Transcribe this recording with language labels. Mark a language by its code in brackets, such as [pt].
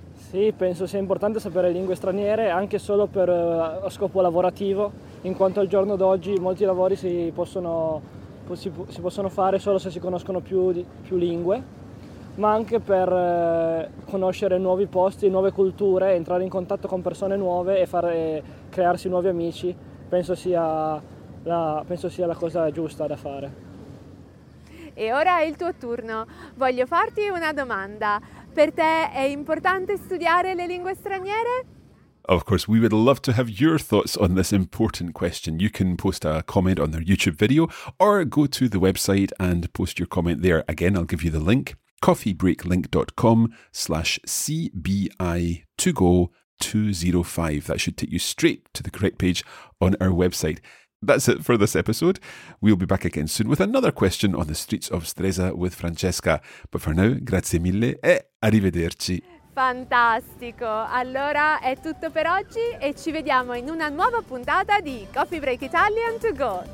[it] Sì, penso sia importante sapere lingue straniere anche solo per lo scopo lavorativo, in quanto al giorno d'oggi molti lavori si possono fare solo se si conoscono più lingue, ma anche per conoscere nuovi posti, nuove culture, entrare in contatto con persone nuove e crearsi nuovi amici, penso sia la cosa giusta da fare. E ora è il tuo turno. Voglio farti una domanda. Per te è importante studiare le lingue straniere? [en] Of course, we would love to have your thoughts on this important question. You can post a comment on their YouTube video or go to the website and post your comment there. Again, I'll give you the link, coffeebreaklink.com/CBI2Go205. That should take you straight to the correct page on our website. That's it for this episode. We'll be back again soon with another question on the streets of Stresa with Francesca. But for now, [it] grazie mille e arrivederci. Fantastico! Allora è tutto per oggi e ci vediamo in una nuova puntata di Coffee Break Italian to Go.